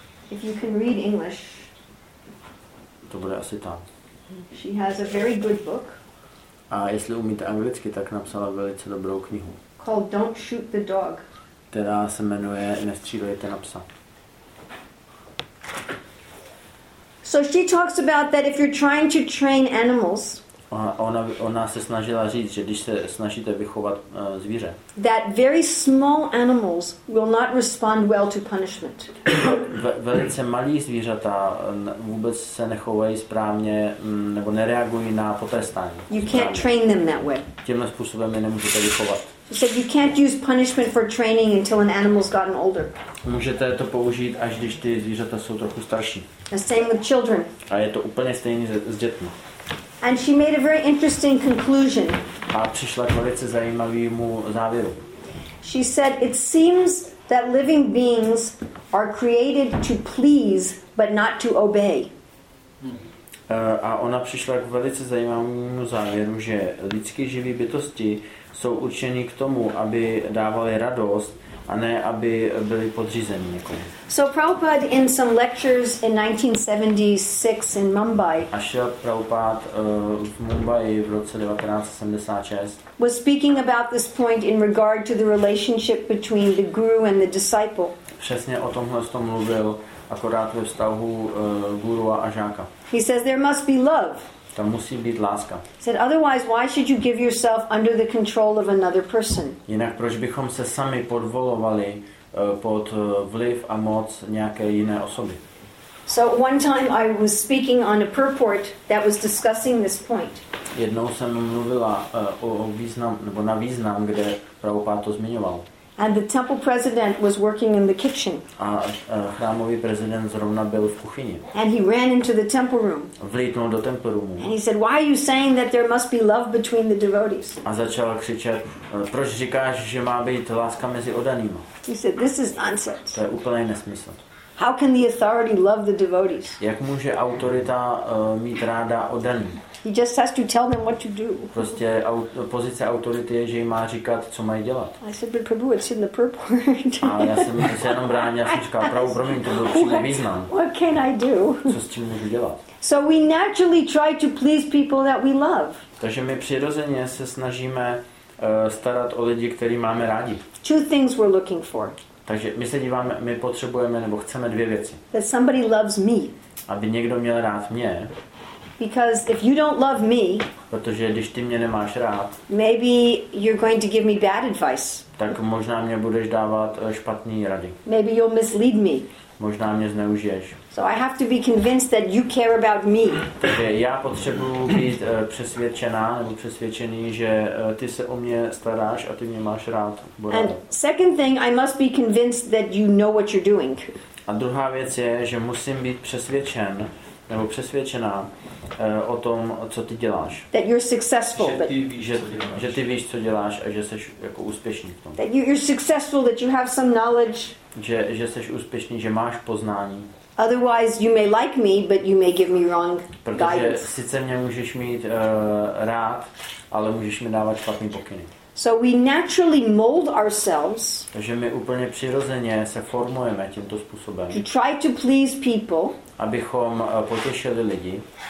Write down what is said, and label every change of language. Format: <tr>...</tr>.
<en>If you can read English.</en> <cs>To bude asi tam.</cs> <en>She has a very good book.</en> <cs>A jestli umíte anglicky, tak napsala velice dobrou knihu.</cs> <en>Called Don't Shoot the Dog.</en> <cs>Která se jmenuje Nestřílejte na psa.</cs> <en>So she talks about that if you're trying to train animals.</en> <cs>Ona se snažila říct, že když se snažíte vychovat zvíře.</cs> <en>That very small animals will not respond well to punishment.</en> <cs>Velice malí zvířata vůbec se nechovají správně nebo nereagují na potrestání.</cs> <en>You can't train them that way.</en> <cs>Tímhle způsobem je nemůžete vychovat.</cs> <en>She said you can't use punishment for training until an animal's gotten older.</en> <cs>Můžete to použít až když ty zvířata jsou trochu starší.</cs> <en>The same with children.</en> <cs>A je to úplně stejné s dětmi.</cs> <en>And she made a very interesting conclusion.</en> <cs>A přišla k velice zajímavému závěru.</cs> <en>She said it seems that living beings are created to please but not to obey.</en> <cs>A ona přišla k velice zajímavému závěru, že lidské živé bytosti jsou určeni k tomu, aby dávali radost, a ne aby byli podřízeni někomu.</cs> <en>So Prabhupada in some lectures in 1976 in Mumbai.</en> <cs>A šel Prabhupada v Mumbai v roce 1976.</cs> <en>Was speaking about this point in regard to the relationship between the guru and the disciple.</en> <cs>Přesně o tomhle jsem mluvil, akorát ve vztahu guru a žáka.</cs> <en>He says there must be love.</en> <cs>Tam musí být láska.</cs> <en>Said otherwise, why should you give yourself under the control of another person?</en> <cs>Jinak proč bychom se sami podvolovali pod vliv a moc nějaké jiné osoby?</cs> <en>So one time I was speaking on a purport that was discussing this point.</en> <cs>Jednou jsem mluvila o význam nebo na význam, kde Prabhupáda to zmiňoval.</cs> <en>And the temple president was working in the kitchen.</en> <cs>A chrámový prezident zrovna byl v kuchyni.</cs> <en>And he ran into the temple room.</en> <cs>Vlítnul do temple roomu.</cs> <en>And he said, "Why are you saying that there must be love between the devotees?"</en> <cs>A začal křičet, proč říkáš, že má být láska mezi oddanými?</cs> <en>He said, "This is nonsense."</en> <cs>To je úplný nesmysl.</cs> <en>How can the authority love the devotees?</en> <cs>Jak může autorita mít ráda oddaný?</cs> <en>He just has to tell them what to do.</en> <cs>Prostě pozice autority je, že jim má říkat, co mají dělat.</cs> <en>I said, but Prabhu, it's in the purport.</en> <cs>A já jsem se jenom bránil, já jsem říkal, Prabhu, promiň, to byl přímý význam.</cs> <en>What can I do?</en> <cs>Co s tím můžu dělat?</cs> <en>So we naturally try to please people that we love.</en> <cs>Takže my přirozeně se snažíme starat o lidi, který máme rádi.</cs> <en>Two things we're looking for.</en> <cs>Takže my se díváme, my potřebujeme nebo chceme dvě věci.</cs> <en>That somebody loves me.</en> <cs>Aby někdo měl rád mě.</cs> <en>Because if you don't love me,</en> <cs>protože když ty mě nemáš rád,</cs> <en>maybe you're going to give me bad advice.</en> <cs>Tak možná mě budeš dávat špatný rady.</cs> <en>Maybe you'll mislead me.</en> <cs>Možná mě zneužiješ.</cs> <en>So I have to be convinced that you care about me.</en> <cs>Takže já potřebuji být přesvědčená nebo přesvědčený, že ty se o mě staráš a ty mě máš rád.</cs> <en>And second thing, I must be convinced that you know what you're doing.</en> <cs>A druhá věc je, že musím být přesvědčen nebo přesvědčená o tom, co ty děláš.</cs> <en>That you're successful.</en> <cs>Že ty víš, co děláš a že jsi jako úspěšný v tom.</cs> <en>That you're successful, that you have some knowledge.</en> <cs>Že jsi úspěšný, že máš poznání.</cs> <en>Otherwise you may like me, but you may give me wrong guidance.</en> <cs>Protože sice mě můžeš mít rád, ale můžeš mi dávat špatný pokyny.</cs> <en>So we naturally mold ourselves.</en> <cs>Takže my úplně přirozeně se formujeme tímto způsobem.</cs> <en>To try to please people.</en> <cs>Abychom potěšili lidi.</cs>